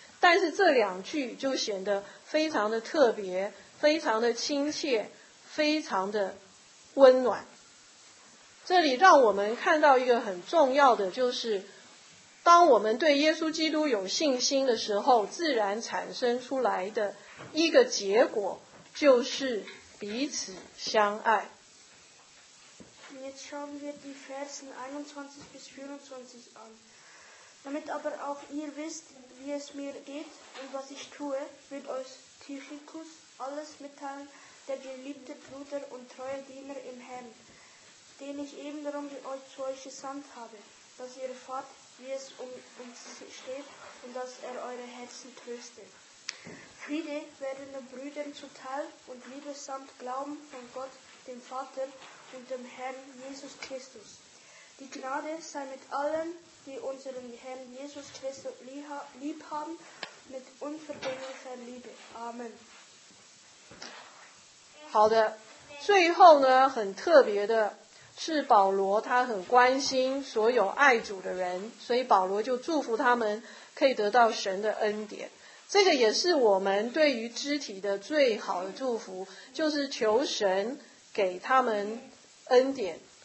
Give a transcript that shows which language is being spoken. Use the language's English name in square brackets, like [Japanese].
[Chinese] 但是这两句就显得非常的特别，非常的亲切，非常的温暖。这里让我们看到一个很重要的，就是当我们对耶稣基督有信心的时候，自然产生出来的一个结果就是彼此相爱。 [German] Jetzt schauen wir die Versen 21 bis 24 an. Damit aber auch ihr wisst, wie es mir geht und was ich tue, wird euch Tychikus alles mitteilen, der geliebte Bruder und treue Diener im Herrn, den ich eben darum euch zu euch gesandt habe, dass ihr erfahrt, wie es uns steht und dass eure Herzen tröstet. Friede werden den Brüdern zuteil und Liebe samt Glauben von Gott, dem Vater und dem Herrn Jesus Christus. Die Gnade sei mit allen, die unseren Herrn Jesus Christus lieb haben, mit unvergänglicher Liebe. Amen. [Chinese] 好的，最后呢，很特别的是保罗他很关心所有爱主的人，所以保罗就祝福他们可以得到神的恩典。这个也是我们对于肢体的最好的祝福，就是求神给他们恩典。